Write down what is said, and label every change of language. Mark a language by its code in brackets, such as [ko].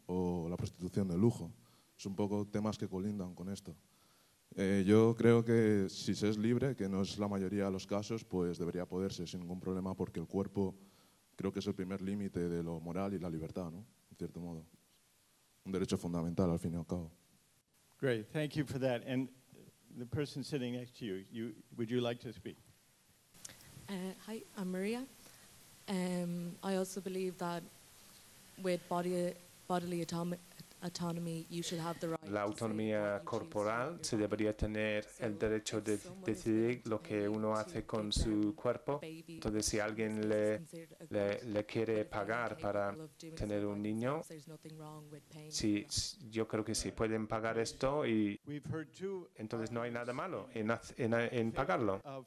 [es] O la prostitución de lujo. Es un poco temas que colindan con esto. Yo creo que si se es libre, que no es la mayoría de los casos, pues debería poderse sin ningún problema porque el cuerpo creo que es el primer límite de lo moral y la libertad, ¿no? En cierto modo. Un derecho fundamental, al fin y al cabo. [en] Great, thank you for that. And the person sitting next to you, would you like to speak? Hi, I'm Maria. I also believe that with bodily autonomy, you should have the right. [es] La autonomía corporal se debería tener el derecho de decidir lo que uno hace con su cuerpo. Entonces, si alguien le quiere pagar para tener un niño, si yo creo que sí pueden pagar esto y entonces no hay nada malo en pagarlo.